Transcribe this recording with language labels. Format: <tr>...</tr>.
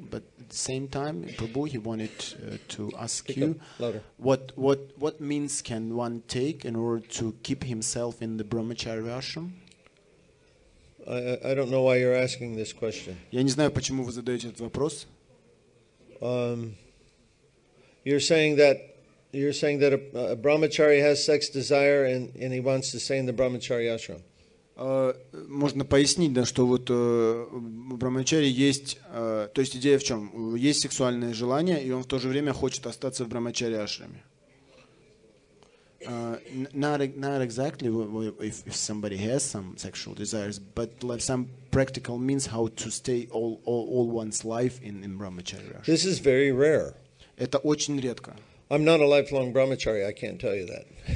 <en>But at the same time, Prabhu, he wanted to ask you, what means can one take in order to keep himself in the brahmachari ashram? I don't know why you're asking this question.</en> <ru>Я не знаю, почему вы задаете этот вопрос.</ru> <en>You're saying that a brahmachari has sex desire and he wants to stay in the brahmachari ashram.</en> <ru>Можно пояснить, да, что вот брахмачари есть, то есть идея в чем? Есть сексуальное желание, и он в то же время хочет остаться в брахмачари ашраме.</ru> <en>Not exactly if somebody has some sexual desires, but like some practical means how to stay all one's life in brahmachari ashram. This is very rare.</en> <ru>Это очень редко.</ru> <en>I'm not a lifelong brahmachari, I can't tell you that.</en>